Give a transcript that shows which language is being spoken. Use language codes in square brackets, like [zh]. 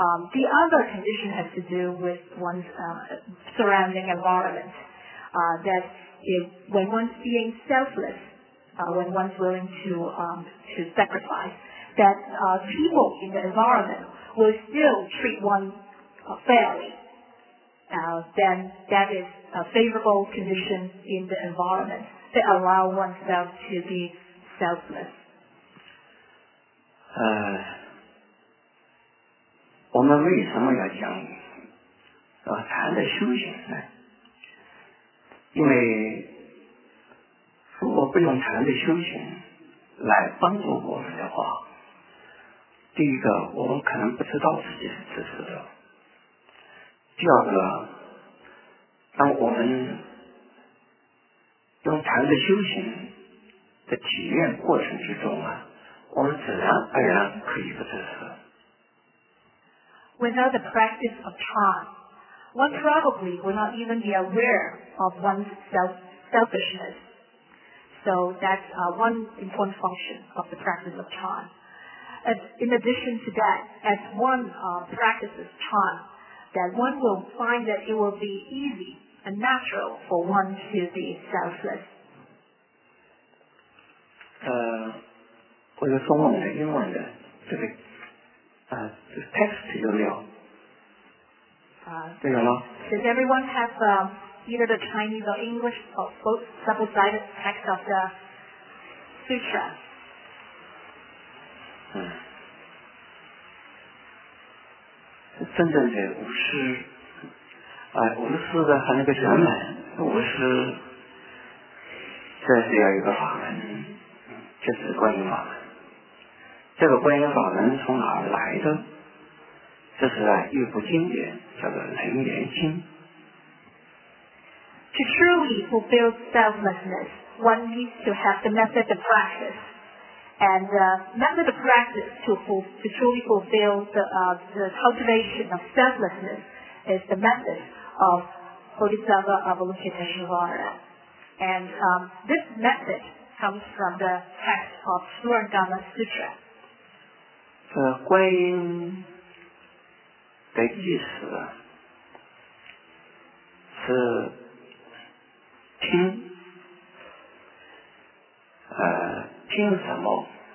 [en] The other condition has to do with one's surrounding environment, that if, when one's being selfless, when one's willing to sacrifice, that people in the environment will still treat one fairly, then that is a favorable condition in the environment that allow oneself to be selfless. [zh] 我们为什么要讲禅的修行呢？因为如果不用禅的修行来帮助我们的话，第一个我们可能不知道自己是自私的，第二个当我们用禅的修行的体验过程之中啊，我们自然而然可以不自私。 [en] Without the practice of chan, one probably will not even be aware of one's selfishness. So that's one important function of the practice of chan. And in addition to that, as one practices chan, that one will find that it will be easy and natural for one to be selfless. [zh] 我有中文的、英文的，这个text 有没有？这个呢 [en] Does everyone have either the Chinese or English or both double-sided text of the sutra? [zh] 真正的无私，无私的和那个圆满，无私，这是要一个法门，这是观音法门。这个观音法门从哪儿来的？这是一部经典，叫做《楞严经》。 [en] To truly fulfill selflessness, one needs to have the method of practice, and the method of practice to truly fulfill the cultivation of selflessness is the method of Bodhisattva Avalokiteshvara, and this method comes from the text of Suragama Sutra. [zh] 观音的意思是听，听什么？